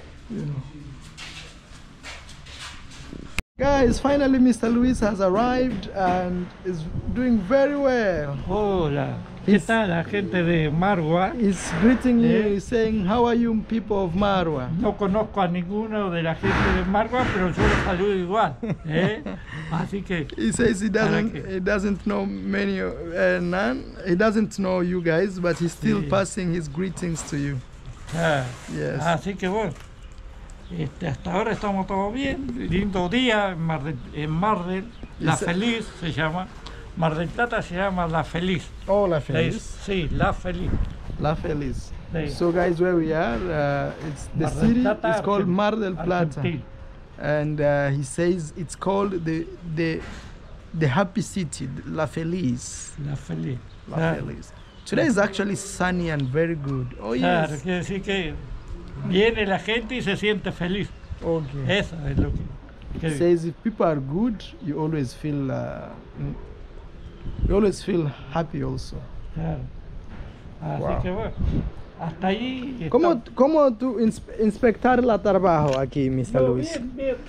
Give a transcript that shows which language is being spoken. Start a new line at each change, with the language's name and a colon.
English: Yeah. Guys, finally Mr. Luis has arrived and is doing very well.
Spanish: Hola. está la gente de Marwa.
English: Is greeting you, saying how are you people of Marwa.
Spanish: No conozco a ninguno de la gente de Marwa, pero yo los saludo igual. ¿Eh? Así que.
English: He says he doesn't know many none. He doesn't know you guys, but he's still passing his greetings to you.
Spanish: Yes. Así que bueno. Hasta ahora estamos todos bien. Lindo día en Mar del. La Feliz se llama. Mar del Plata se llama La Feliz. Oh, La Feliz. Sí, La Feliz. La Feliz.
English: So guys, where we are, it's the city is called Mar del Plata. Argentina. And he says it's called the happy city, La Feliz. La Feliz. La Feliz. Today is actually sunny and very good. Oh, yes.
Spanish: Claro, quiere decir que viene la gente y se siente feliz.
English: Okay.
Spanish: Eso es lo que...
English: He says if people are good, you always feel happy also.
Spanish: Claro. Así que bueno, hasta ahí. ¿Cómo tú inspectar la trabajo aquí, Mr. No, Luis? Bien.